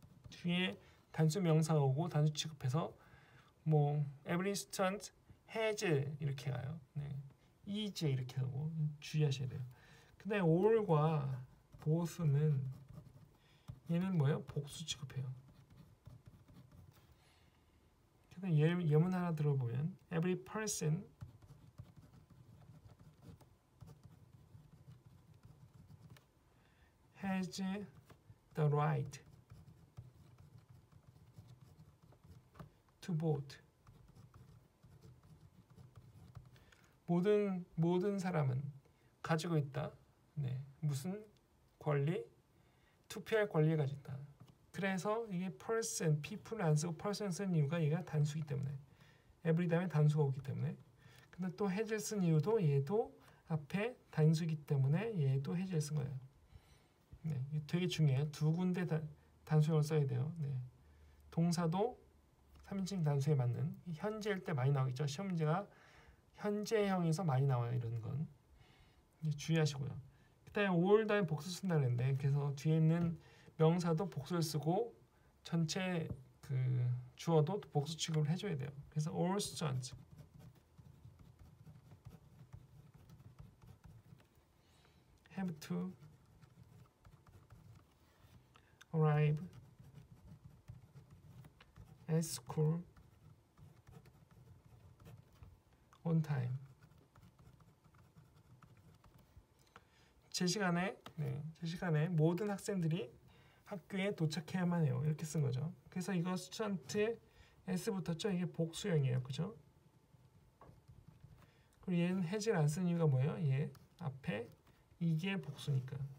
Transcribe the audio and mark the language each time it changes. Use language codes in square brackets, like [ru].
[ko] 뒤에 단수 명사 오고 단수 취급해서 뭐 [en] every student has [ko] 이렇게 가요. 네, is 이렇게 하고 주의하셔야 돼요. 근데 all과 both는 얘는 뭐예요? 복수 취급해요. 예문 하나 들어보면 [en] every person has the right to vote. [ko] 모든 사람은 가지고 있다. 네. 무슨 권리? 투표할 권리를 가지고 있다. 그래서 이게 person, people 안 쓰고 person 쓴 이유가 얘가 단수이기 때문에 every 다음에 단수가 오기 때문에 근데 또 has 쓴 이유도 얘도 앞에 단수이기 때문에 얘도 has 쓴 거예요. 네, 이게 되게 중요해요. 두 군데 단수형을 써야 돼요. 네, 동사도 3인칭 단수에 맞는 현재일 때 많이 나오겠죠. 시험 문제가 현재형에서 많이 나와요. 이런 건 이제 주의하시고요. 그다음에 올다의 복수 쓴다는 건데, 그래서 뒤에 있는 명사도 복수를 쓰고 전체 그 주어도 복수 취급을 해줘야 돼요. 그래서 [en] all students. have to arrive at school on time. [ko] 제 시간에, 네, 제 시간에 모든 학생들이 학교에 도착해야만 해요. 이렇게 쓴 거죠. 그래서 이거 스튜던트 S부터죠. 이게 복수형이에요. 그죠? 그리고 얘는 해질 안 쓴 이유가 뭐예요? 얘 앞에 이게 복수니까.